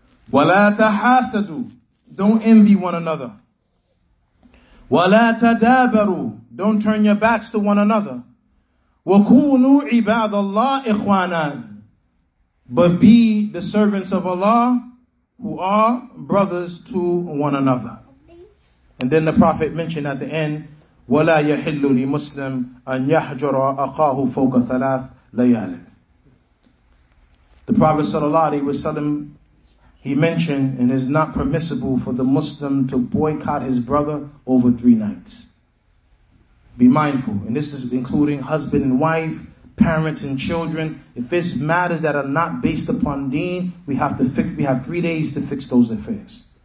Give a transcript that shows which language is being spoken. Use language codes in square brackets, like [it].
[ar] Wa la tahasadu, [en] don't envy one another. [ar] Wa la tadabaru, [en] don't turn your backs to one another. [ar] Wa kunu ibadallah ikhwanan, [en] but be the servants of Allah, who are brothers to one another. And then the Prophet mentioned at the end, [ar] وَلَا يَحِلُّ لِمُسْلِمْ أَنْ يَحْجُرَ أَخَاهُ فَوْقَ ثَلَاثْ لَيَالٍ. [en] The Prophet sallallahu alaihi wasallam, he mentioned, it is not permissible for the Muslim to boycott his brother over 3 nights. Be mindful. And this is including husband and wife, parents and children. If it's matters that are not based upon deen, we have 3 days to fix those affairs.